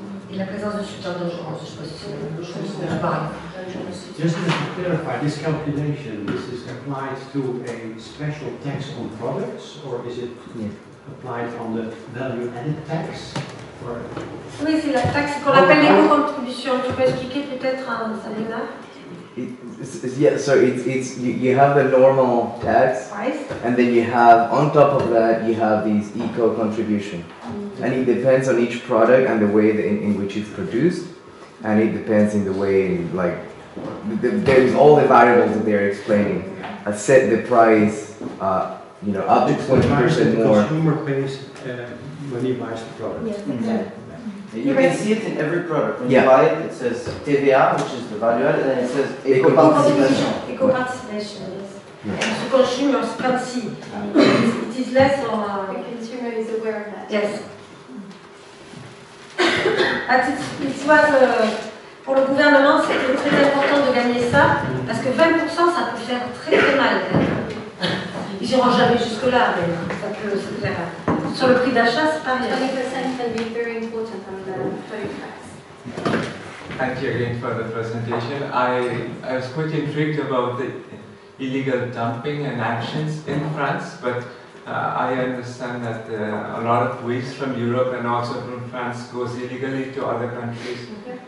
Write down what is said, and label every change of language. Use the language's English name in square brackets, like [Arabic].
[French] Et la présence de substances dangereuses, je pense que c'est le pareil. [English] Just to clarify, this calculation, this is applied to a special tax on products, or is it applied on the value added tax? Or... [French] Oui, c'est la taxe qu'on appelle l'éco-contribution. Tu peux expliquer peut-être un salinaire? [English] So you have the normal tax, price. And then you have, on top of that, you have these eco-contribution. Mm-hmm. And it depends on each product and the way in which it's produced, and it depends in the way, like, there's all the variables that they're explaining. I set the price, you know, up to 20% more. The consumer pays when he buys the product. Yeah. Mm-hmm. Yeah. You can see it in every product. When you buy it, it says TVA, which is the value added, and it says eco-participation. Eco-participation, yes. Yeah. And the consumer is fancy. It is less or the consumer is aware of that. Yes. At it was, [French] pour le gouvernement, c'était très important de gagner ça, parce que 20%, ça peut faire très très mal. Ils n'iront jamais jusque-là, mais ça peut se faire. Sur le prix d'achat, c'est pas rien. [English] 20% can be very important on the product price. Thank you again for the presentation. I was quite intrigued about the illegal dumping and actions in France, but I understand that a lot of waste from Europe and also from France goes illegally to other countries, okay.